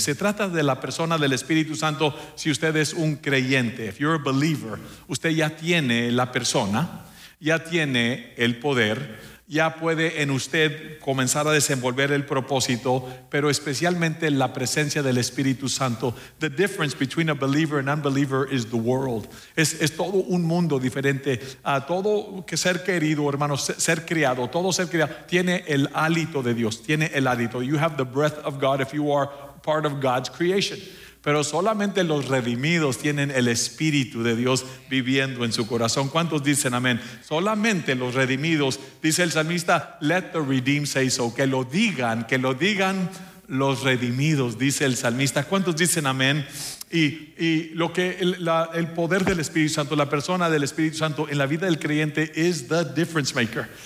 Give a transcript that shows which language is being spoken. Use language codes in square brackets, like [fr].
[es] Se trata de la persona del Espíritu Santo. Si usted es un creyente, [en] if you're a believer, [es] usted ya tiene la persona, ya tiene el poder, ya puede en usted comenzar a desenvolver el propósito, pero especialmente la presencia del Espíritu Santo. [en] The difference between a believer and unbeliever is the world. [es] Es todo un mundo diferente. Todo que ser querido, hermanos, ser criado, todo ser criado tiene el hálito de Dios, tiene el hálito. [en] You have the breath of God if you are part of God's creation. [es] Pero solamente los redimidos tienen el Espíritu de Dios viviendo en su corazón. ¿Cuántos dicen amén? Solamente los redimidos, dice el salmista, [en] let the redeemed say so. [es] Que lo digan los redimidos, dice el salmista. ¿Cuántos dicen amén? Y lo que el poder del Espíritu Santo, la persona del Espíritu Santo en la vida del creyente, [en] is the difference maker.